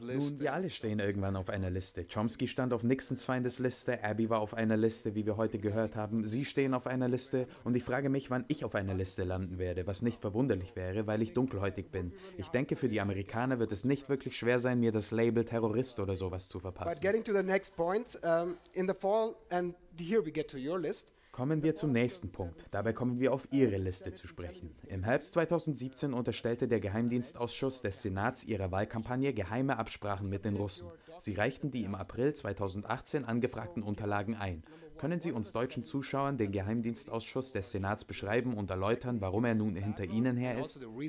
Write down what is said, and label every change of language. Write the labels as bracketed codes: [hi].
[de] Nun, wir alle stehen irgendwann auf einer Liste. Chomsky stand auf Nixons Feindesliste, Abby war auf einer Liste, wie wir heute gehört haben. Sie stehen auf einer Liste und ich frage mich, wann ich auf einer Liste landen werde, was nicht verwunderlich wäre, weil ich dunkelhäutig bin. Ich denke, für die Amerikaner wird es nicht wirklich schwer sein, mir das Label Terrorist oder sowas zu verpassen. [en] But getting to the next point, in the fall, and here we get to your list. [de] Kommen wir zum nächsten Punkt. Dabei kommen wir auf Ihre Liste zu sprechen. Im Herbst 2017 unterstellte der Geheimdienstausschuss des Senats ihrer Wahlkampagne geheime Absprachen mit den Russen. Sie reichten die im April 2018 angefragten Unterlagen ein. Können Sie uns deutschen Zuschauern den Geheimdienstausschuss des Senats beschreiben und erläutern, warum er nun hinter Ihnen her ist?